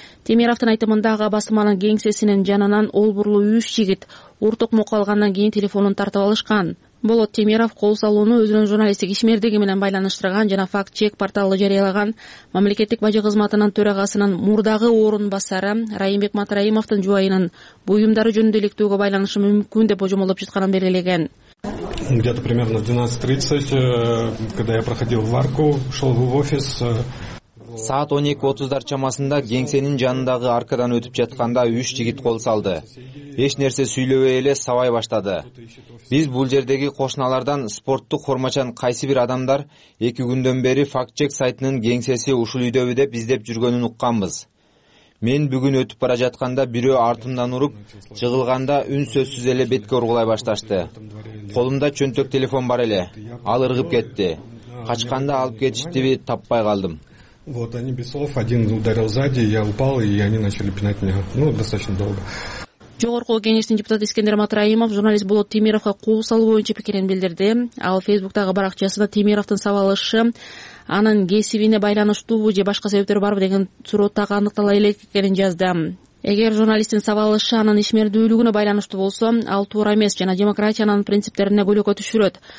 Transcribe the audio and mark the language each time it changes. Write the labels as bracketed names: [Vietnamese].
[Kyrgyz] Темировдун айтымында ага басылманын кеңсесинин жанынан олбурлуу 3 жигит урток мок алгандан кийин телефонун тартып алышкан. Болот Темиров кол салууну өзүнүн журналисттик ишмердиги менен байланыштырган жана факт чек порталы жарыялаган мамлекеттик бажы кызматынын төрагасынын мурдагы орун басары Райымбек Матраимовдун жубайынын буюмдары жөнүндө иликтөөгө байланышы мүмкүн деп божомолоп жатканын белгилеген. [Russian] Где-то примерно в 12:30, когда я проходил в арку, шел в офис. [Kyrgyz] Саат 12:30 чамасында кеңсенин жанындагы аркадан өтүп жатканда 3 жигит кол салды. Эч нерсе сүйлөбөй эле сабай баштады. Биз бул жердеги кошуналардан спорттук формачан кайсы бир адамдар 2 күндөн бери фактчек сайтынын кеңсеси ушул үйдөбү деп издеп жүргөнүн укканбыз. Мен бүгүн өтүп бара жатканда бирөө артымдан уруп, жыгылганда үнсөзсүз эле бетке ургулай башташты. Колумда чөнтөк телефон бар эле. Ал ыргып кетти. Качканда алып кетиштиби, таппай калдым. [Russian] Вот они без слов один ударил сзади, я упал и они начали пинать меня. Ну, достаточно долго. [Kyrgyz] Жогорку кеңештин депутаты Искендер Матраимов журналист Болот Темировго кол салуу боюнча пикирин билдирди. Ал Facebook-тагы баракчасында Темировдун сабалышы анын кесибине байланыштуубу же башка себептер барбы деген суроо тагы аныктала элек экенин жазды. Эгер журналисттин сабалышы анын ишмердүүлүгүнө байланыштуу болсо, ал туура эмес жана демократиянын принциптерине көлөкө түшүрөт.